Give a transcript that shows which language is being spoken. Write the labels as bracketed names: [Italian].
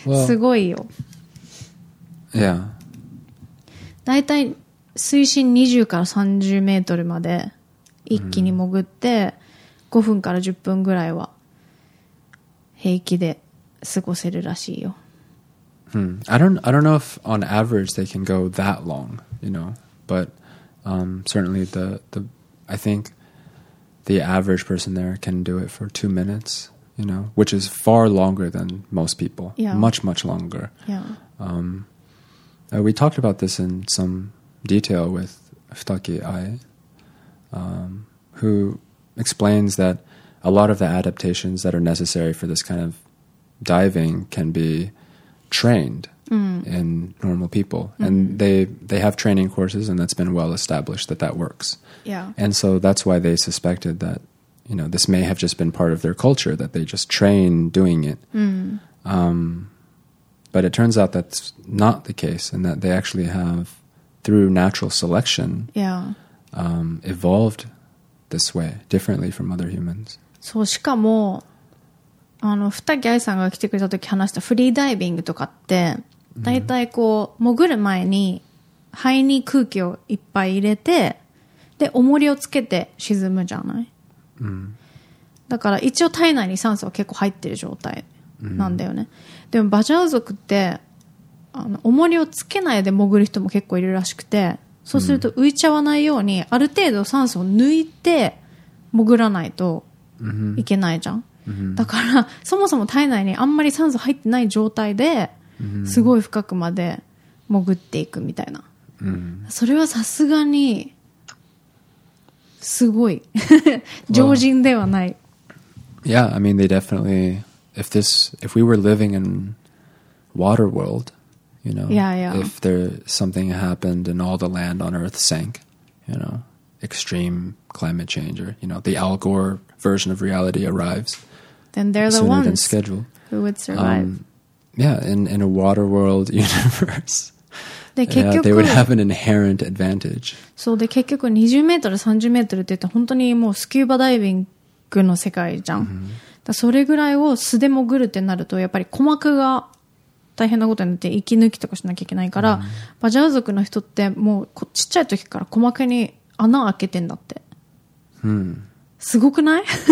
[Japanese] すごいよ。いや。だいたい水深20から30メートルまで一気に潜って、5分から10分ぐらいは平気で過ごせるらしいよ。 [English] I don't know if on average they can go that long, you know, but certainly I think the average person there can do it for 2 minutes, you know, which is far longer than most people. Yeah. Much, much longer. Yeah. We talked about this in some detail with Futaki Ai, who explains that a lot of the adaptations that are necessary for this kind of diving can be trained in normal people. And they have training courses, and that's been well established that that works. Yeah. And so that's why they suspected that, you know, this may have just been part of their culture, that they just train doing it. But it turns out that's not the case, and that they actually have, through natural selection, evolved this way, differently from other humans. [Japanese] So, しかも二木愛さんが来てくれた時話したフリーダイビングとかって、大体こう、潜る前に肺に空気をいっぱい入れて、で、重りをつけて沈むじゃない、だから一応体内に酸素は結構入ってる状態なんだよね。でもバチャウ族って、重りをつけないで潜る人も結構いるらしくて、そうすると浮いちゃわないように、ある程度酸素を抜いて潜らないといけないじゃん。だからそもそも体内にあんまり酸素入ってない状態ですごい深くまで潜っていくみたいな、それはさすがにすごい常人ではない。 [English] Yeah, I mean they definitely if we were living in water world, you know, if there something happened and all the land on earth sank, you know, extreme climate change, or you know, the Al Gore version of reality arrives, then they're the ones than schedule. Who would survive. In a water world universe, they would have an inherent advantage. [Japanese] So, で結局20メートル、30メートルって言ったら本当にもうスキューバダイビングの世界じゃん。だそれぐらいを素で潜るってなると、やっぱり鼓膜が大変なことになって息抜きとかしなきゃいけないから、バジャー族の人ってもうちっちゃい時から鼓膜に穴開けてんだって。すごくない?